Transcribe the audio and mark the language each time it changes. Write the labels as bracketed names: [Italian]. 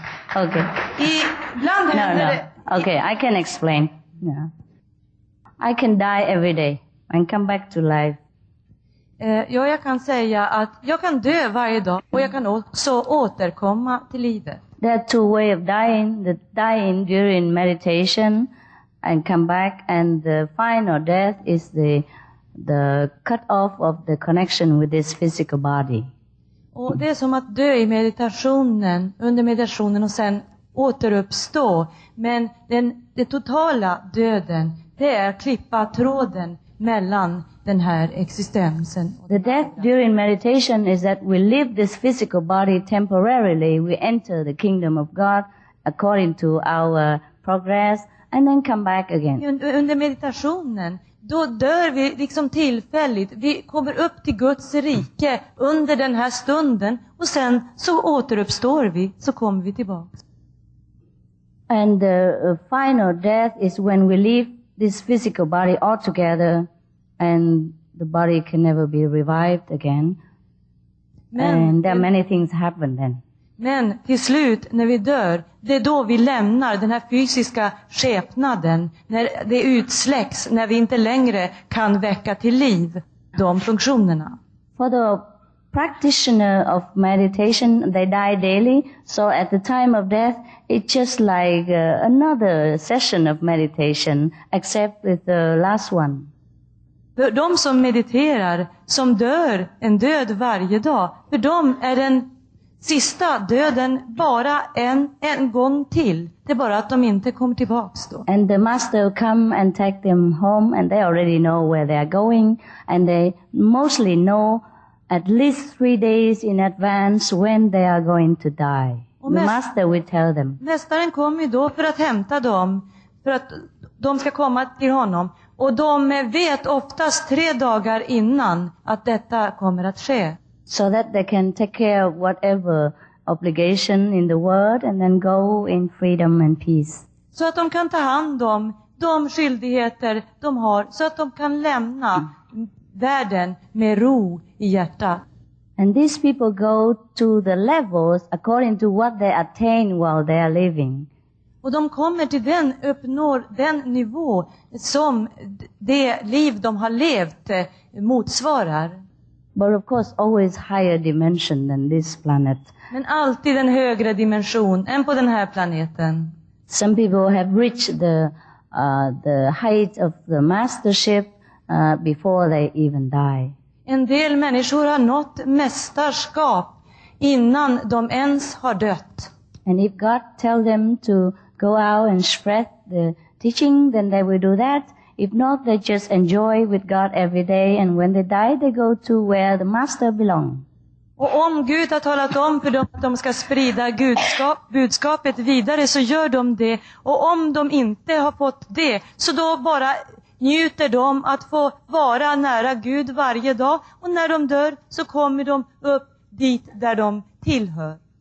[English] Okay. [Swedish] Ibland händer det. [English] Okay, I can explain. Yeah. I can die every day and come back to life. [Swedish] Ja, jag kan säga att jag kan dö varje dag och jag kan också återkomma till livet. [English] There are two ways of dying, the dying during meditation and come back, and the final death is the cut off of the connection with this physical body. [Swedish] Och det är som att dö i meditationen, under meditationen och sen återuppstå, men den totala döden, det är klippa tråden mellan den här existensen. [English] The death during meditation is that we leave this physical body temporarily, we enter the kingdom of God according to our progress and then come back again. [Swedish] Under meditationen då dör vi liksom tillfälligt. Vi kommer upp till Guds rike under den här stunden och sen så återuppstår vi, så kommer vi tillbaka. [English] And the final death is when we leave this physical body altogether. And the body can never be revived again. Men, and there are many things happen then. [Swedish] Men till slut när vi dör, det är då vi lämnar den här fysiska skepnaden, när det utsläcks, när vi inte längre kan väcka till liv de funktionerna. [English] For the practitioner of meditation, they die daily. So at the time of death, it's just like another session of meditation, except with the last one. [Swedish] De som mediterar, som dör en död varje dag, för dem är den sista döden bara en gång till. Det är bara att de inte kommer tillbaks då. [English] And the master will come and take them home, and they already know where they are going, and they mostly know at least 3 days in advance when they are going to die. The master will tell them. [Swedish] Mästaren kommer ju då för att hämta dem, för att de ska komma till honom. Och de vet oftast 3 dagar innan att detta kommer att ske. [English] So that they can take care of whatever obligation in the world and then go in freedom and peace. [Swedish] Så att de kan ta hand om de skyldigheter de har, så att de kan lämna världen med ro i hjärta. [English] And these people go to the levels according to what they attain while they are living. [Swedish] Och de kommer till den, uppnår den nivå som det liv de har levt motsvarar. [English] But of course always higher dimension than this planet. [Swedish] Men alltid en högre dimension än på den här planeten. [English] Some people have reached the height of the mastership before they even die. [Swedish] En del människor har nått mästerskap innan de ens har dött. [English] And if God tell them to go out and spread the teaching, then they will do that. If not, they just enjoy with God every day, and when they die, they go to where the master belongs. [Swedish] Och om Gud har talat om för dem att de ska sprida budskapet vidare, så gör de det. Och om de inte har fått det, så då bara njuter de att få vara nära Gud varje dag. Och när de dör, så kommer de upp dit där de tillhör.